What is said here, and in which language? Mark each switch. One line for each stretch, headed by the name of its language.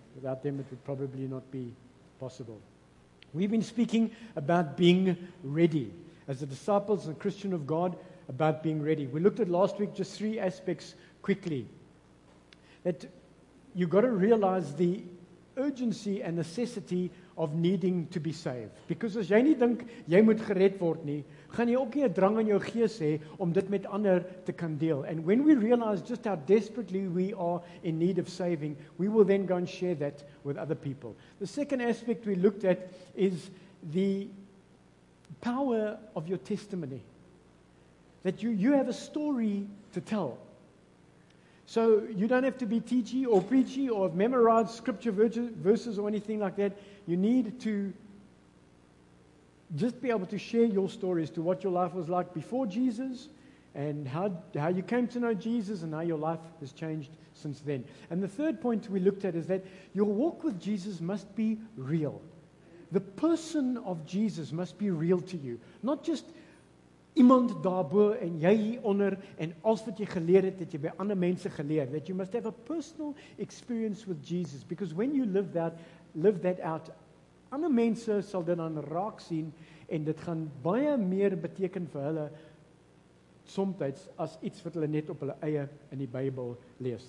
English: Without them, it would probably not be possible. We've been speaking about being ready. As the disciples and Christian of God, about being ready. We looked at last week just three aspects quickly. That you've got to realize the urgency and necessity of needing to be saved.
Afrikaans: Because as jy nie dink jy moet gered word nie, gaan jy ook nie 'n drang in jou gees hê om dit met ander te kan deel.
English: And when we realize just how desperately we are in need of saving, we will then go and share that with other people. The second aspect we looked at is the power of your testimony. That you have a story to tell. So you don't have to be teachy or preachy or have memorized scripture verses or anything like that. You need to just be able to share your stories to what your life was like before Jesus and how you came to know Jesus and how your life has changed since then. And the third point we looked at is that your walk with Jesus must be real. The person of Jesus must be real to you. Not just
Afrikaans: iemand daarbo en jy hieronder en alles wat jy geleer het, dat jy by ander mense geleer.
English: That you must have a personal experience with Jesus. Because when you live that out,
Afrikaans: ander mense sal dit dan raak sien en dit gaan baie meer beteken vir hulle somtijds as iets wat hulle net op hulle eie in die Bybel lees.